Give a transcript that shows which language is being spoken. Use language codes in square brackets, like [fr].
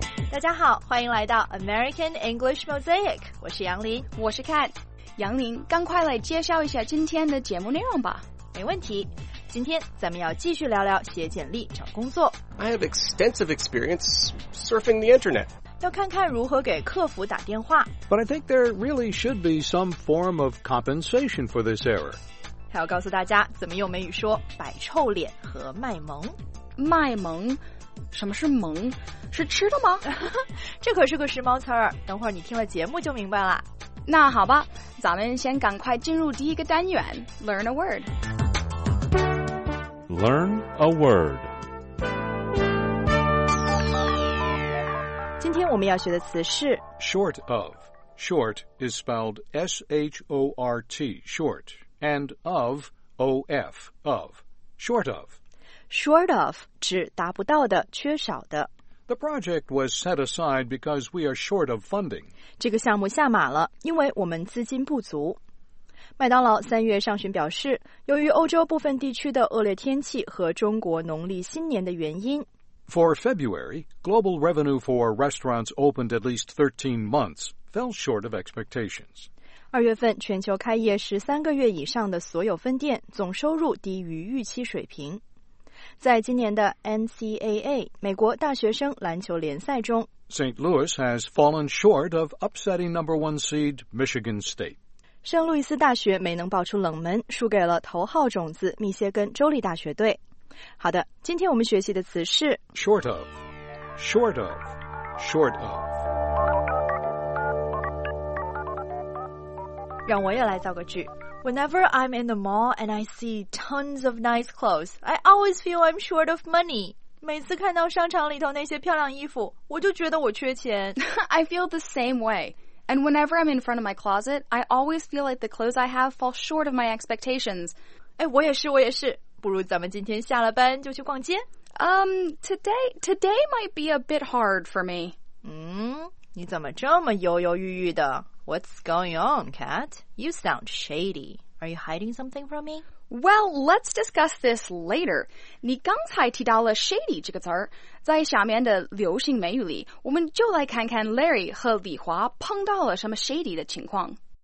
[zh] 大家好，欢迎来到 American English Mosaic， 我是杨林，我是 Kat。杨林，赶快来介绍一下今天的节目内容吧。没问题，今天咱们要继续聊聊写简历找工作。 [en] I have extensive experience surfing the internet， [zh] 要看看如何给客服打电话。 [en] But I think there really should be some form of compensation for this error， [zh] 还要告诉大家怎么用美语说摆臭脸和卖萌。卖萌？什么是萌？是吃的吗？这可是个时髦词儿，等会儿你听了节目就明白了。那好吧，咱们先赶快进入第一个单元 Learn a word。 [en] Learn a word。 [zh] 今天我们要学的词是 [en] Short of。 Short is spelled S-H-O-R-T, short, and of, O-F, of, short of。 [zh] Short of 指达不到的、缺少的。 [en] The project was set aside because we are short of funding. [zh] 这个项目下马了，因为我们资金不足。麦当劳三月上旬表示，由于欧洲部分地区的恶劣天气和中国农历新年的原因。 [en] For February, global revenue for restaurants opened at least 13 months fell short of expectations. [zh] 二月份，全球开业13个月以上的所有分店总收入低于预期水平。在今年的 NCAA 美国大学生篮球联赛中， [en] St. Louis has fallen short of upsetting number one seed Michigan State. [zh] 圣路易斯大学没能爆出冷门，输给了头号种子密歇根州立大学队。好的，今天我们学习的词是 [en] short of, short of, short of。 [zh] 让我也来造个句。 [en] Whenever I'm in the mall and I see tons of nice clothes, I always feel I'm short of money. [zh] 每次看到商场里头那些漂亮衣服，我就觉得我缺钱。 [en] I feel the same way. And whenever I'm in front of my closet, I always feel like the clothes I have fall short of my expectations. [zh] 哎，我也是，我也是。不如咱们今天下了班就去逛街？ [en] Today might be a bit hard for me. [zh] 你怎么这么犹犹豫豫的？ [en] What's going on, Kat? You sound shady. Are you hiding something from me? Well, let's discuss this later. [zh] 你刚才提到了 shady 这个词儿，在下面的流行美语里，我们就来看看 Larry 和李华碰到了什么 shady 的情况。